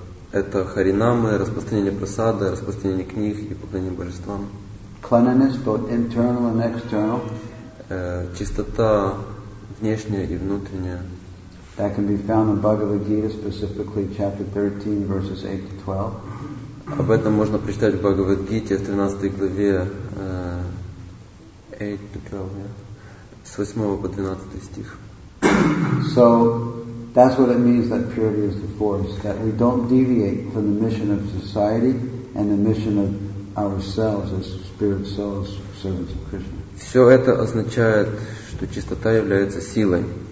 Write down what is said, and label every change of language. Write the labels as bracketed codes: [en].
[ru] Это харинамы, распространение прасада, распространение книг и поклонение божествам. [en] Cleanliness, both internal and external. [ru] Чистота внешняя и внутренняя. [en] That can be found in Bhagavad Gita, specifically chapter 13, verses 8 to 12. [ru] Об этом можно прочитать в Бхагавад-гите в 13 главе 8-12, с 8 по 12 стих. [en] So that's what it means that purity is the force, that we don't deviate from the mission of society and the mission of ourselves as spirit souls, servants of Krishna. [ru] Все это означает, что чистота является силой.